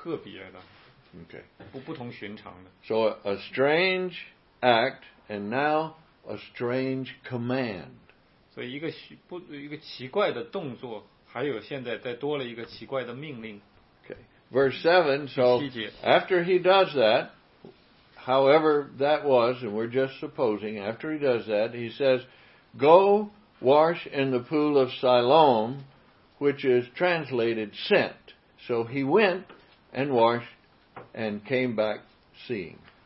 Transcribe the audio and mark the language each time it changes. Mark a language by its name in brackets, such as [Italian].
[Chinese] 我们现在就算知道他所有这么做的事，我们按照现在的理解呢，觉得这个是非常特别的，不同寻常的。So [English] a strange act, and now a strange command. [Chinese] 所以一个奇怪的动作，还有现在再多了一个奇怪的命令。Okay. [English] Verse 7, so after he does that, however that was, and we're just supposing, after he does that, he says, go wash in the pool of Siloam, which is translated sent. So he went and washed and came back seeing.